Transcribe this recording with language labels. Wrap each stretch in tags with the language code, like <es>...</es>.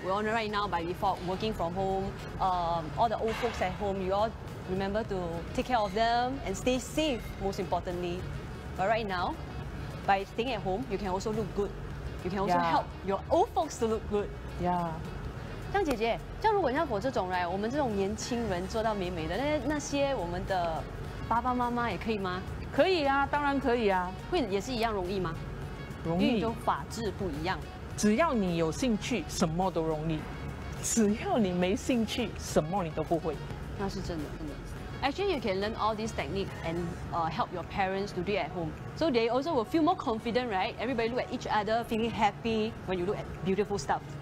<en>We all know right now by default, working from home, all the old folks at home, you all remember to take care of them and stay safe, most importantly. But right now, by staying at home, you can also look good. You can also help your old folks to look good. Yeah.</en> <zh>像姐姐，像如果像我这种 right, 我们这种年轻人做到美美的， 那些我们的爸爸妈妈也可以吗？可以啊，当然可以啊。会也是一样容易吗？容易。因为你都法制不一样。只要你有兴趣， 什么都容易。只要你没兴趣， 什么你都不会。那是真的。</zh> <en>Actually, you can learn all these techniques and help your parents to do it at home. So they also will feel more confident, right? Everybody look at each other, feeling happy when you look at beautiful stuff.</en>